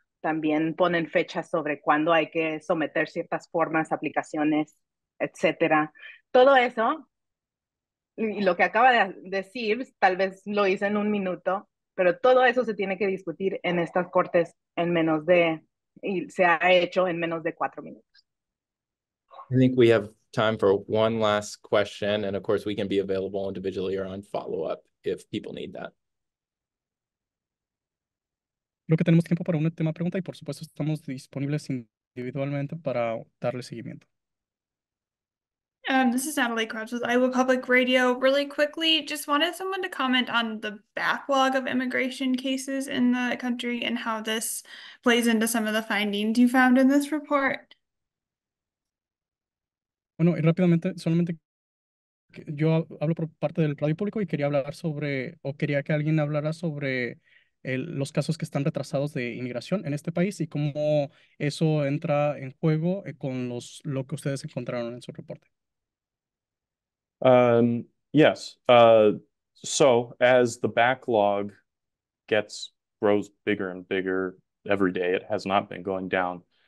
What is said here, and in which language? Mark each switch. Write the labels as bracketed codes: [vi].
[es] También ponen fechas sobre cuándo hay que someter ciertas formas, aplicaciones, etc. Todo eso, y lo que acaba de decir, tal vez lo hice en un minuto, pero todo eso se tiene que discutir en estas cortes en menos de, y se ha hecho en menos de 4 minutos. [en] I think we have time for one last question, and of course we can be available individually or on follow-up if people need that. [es] Creo que tenemos tiempo para una última pregunta, y por supuesto estamos disponibles individualmente para darle seguimiento. [en] This is Natalie Krebs with Iowa Public Radio. Really quickly, just wanted someone to comment on the backlog of immigration cases in the country and how this plays into some of the findings you found in this report. [es] Bueno, y rápidamente, solamente yo hablo por parte del radio público y quería hablar sobre, o quería que alguien hablara sobre los casos que están retrasados de inmigración en este país y cómo eso entra en juego con los lo que ustedes encontraron en su reporte. [en] Yes. So as the backlog grows bigger and bigger every day, it has not been going down.